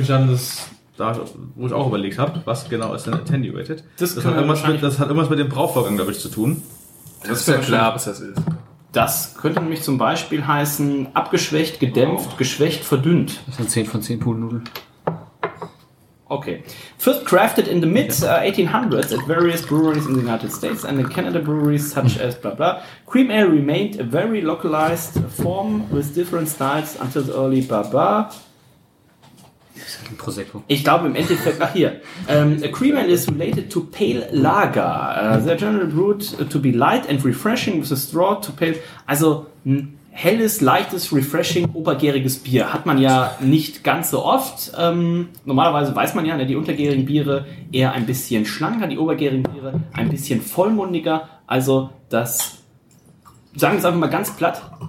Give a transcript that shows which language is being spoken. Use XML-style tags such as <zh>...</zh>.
<de>Das ist nämlich, wo ich auch überlegt habe, was genau ist denn attenuated? Das hat irgendwas mit dem Brauchvorgang, glaube ich, zu tun. Das ist ja klar, was das ist. Das könnte nämlich zum Beispiel heißen abgeschwächt, gedämpft, geschwächt, verdünnt. Das sind 10 von 10 Poolnudeln. Okay.</de> <en>First crafted in the mid 1800s at various breweries in the United States and in Canada breweries such as blah blah. Cream Ale remained a very localized form with different styles until the early blah blah.</en> <de>Das ist ein Prosecco. Ich glaube im Endeffekt, ach hier.</de> <en>A cream ale is related to pale lager. They are generally brewed to be light and refreshing with a straw to pale.</en> <de>Also ein helles, leichtes, refreshing, obergäriges Bier hat man ja nicht ganz so oft. Normalerweise weiß man ja, die untergärigen Biere eher ein bisschen schlanker, die obergärigen Biere ein bisschen vollmundiger. Also das, sagen wir es einfach mal ganz platt.</de>